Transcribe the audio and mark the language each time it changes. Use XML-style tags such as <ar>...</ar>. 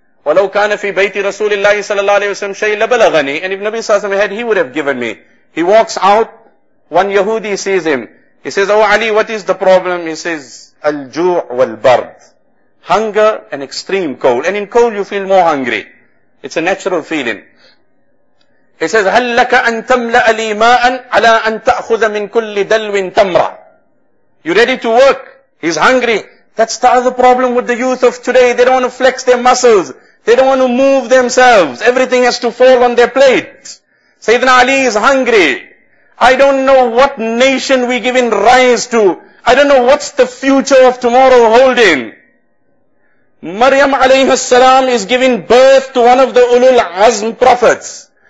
<ar>وَلَوْ كَانَ فِي بَيْتِ رَسُولِ اللَّهِ صَلَى اللَّهِ عَلَيْهِ وَسَلَمْ شَيْءٍ لَبَلَغَنِي.</ar> <en>And if Nabi Sallallahu Alaihi Wasallam had, he would have given me. He walks out, one Yahudi sees him. He says, oh Ali, what is the problem? He says,</en> <ar>الْجُوعُ وَالْبَرْدُ.</ar> <en>Hunger and extreme cold. And in cold you feel more hungry. It's a natural feeling. He says,</en> <ar>هَلْ لَكَ أَن تَمْلَأَ لِي مَاءً عَلَىٰ أَن تَأْخُذَ مِن كُلِّ دَلْوٍ تَمْرًا.</ar> <en>You ready to work? He's hungry. That's the other problem with the youth of today. They don't want to flex their muscles. They don't want to move themselves. Everything has to fall on their plate. Sayyidina Ali is hungry. I don't know what nation we're giving rise to. I don't know what's the future of tomorrow holding. Maryam alayhi salam is giving birth to one of the Ulul Azm prophets.</en>